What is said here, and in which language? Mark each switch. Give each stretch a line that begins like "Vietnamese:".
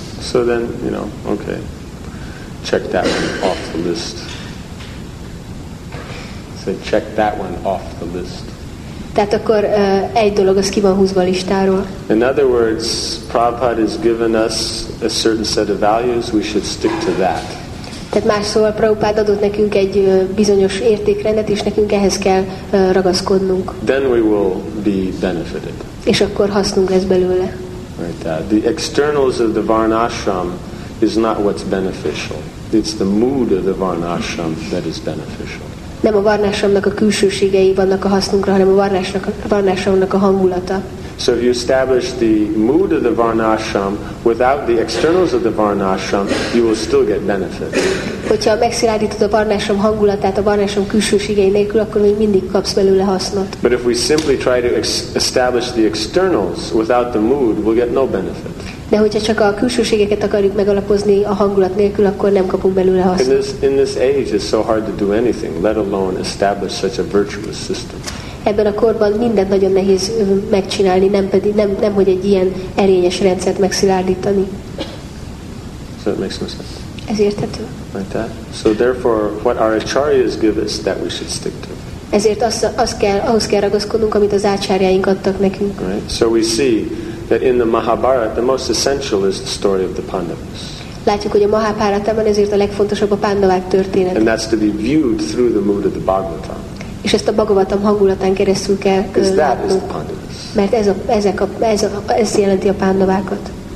English: So then, you know, okay. Check that one off the list. So check that one off the list.
Hungarian: Tehát akkor egy dolog az ki van húzva a listáról.
English: In other words, Prabhupada has given us a certain set of values, we should stick to that.
Hungarian: Tehát más szóval Prabhupada adott nekünk egy bizonyos értékrendet, és nekünk ehhez kell ragaszkodnunk.
English: Then we will be benefited.
Hungarian: És akkor hasznunk lesz belőle.
English: Right, the externals of the varnashram is not what's beneficial. It's the mood of the varnashram that is beneficial.
Hungarian: Nem a varnásomnak a külsőségei vannak a hasznunkra, hanem a varnásomnak a hangulata.
English: So if you establish the mood of the varnásom without the externals of the varnásom, you will still get benefit.
Hungarian: Hogyha megszilárdítod a varnásom hangulatát a varnásom külsőségei nélkül, akkor még mindig kapsz belőle hasznot.
English: But if we simply try to establish the externals without the mood, we'll get no benefit.
Hungarian: De hogyha csak a külsőségeket akarjuk megalapozni a hangulat nélkül, akkor nem kapunk belőle hasznot.
English: In this age it's so hard to do anything, let alone establish such a virtuous system.
Hungarian: Ebben a korban mindent nagyon nehéz megcsinálni, nem hogy egy ilyen erényes rendszert megszilárdítani.
English: So it makes no sense.
Hungarian: Ez érthető.
English: Like that. So therefore, what our acharyas give us, that we should stick to.
Hungarian: Ezért ahhoz kell ragaszkodnunk, amit az ácsárjaink adtak nekünk.
English: Right. So we see that in the Mahabharata, the most essential is the story of the Pandavas.
Hungarian: Látjuk, hogy a Mahabharatában ezért a legfontosabb a Pandavák történet.
English: And that's to be viewed through the mood of the Bhagavatam.
Hungarian: És ezt a Bhagavatam hangulatán keresztül kell látni. Mert ez jelenti a Pandavákat.